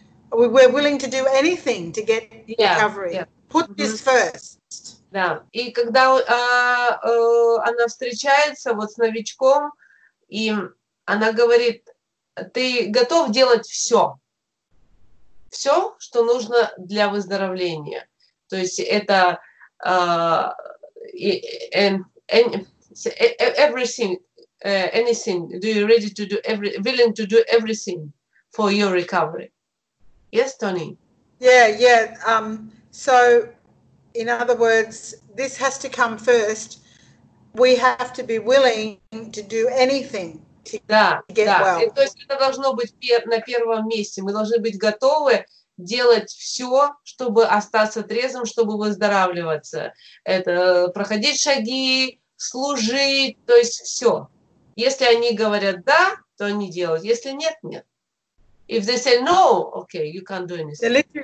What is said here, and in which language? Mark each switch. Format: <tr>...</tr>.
<en>We're willing to do anything to get recovery. Yeah, yeah. Put this first.</en> <ru>Да, и когда она встречается вот с новичком, и она говорит, ты готов делать все, все, что нужно для выздоровления. То есть это</ru> <en>everything, anything. Do you ready to do willing to do everything for your recovery? Yes, Tony. Yeah, yeah. So. In other words, this has to come first. We have to be willing to do anything to get well.</en> <ru>То есть это должно быть на первом месте. Мы должны быть готовы делать все, чтобы остаться трезвым, чтобы выздоравливаться. Это проходить шаги, служить, то есть все. Если они говорят да, то они делают. Если нет, нет.</ru> <en>If they say no, okay, you can't do anything.</en>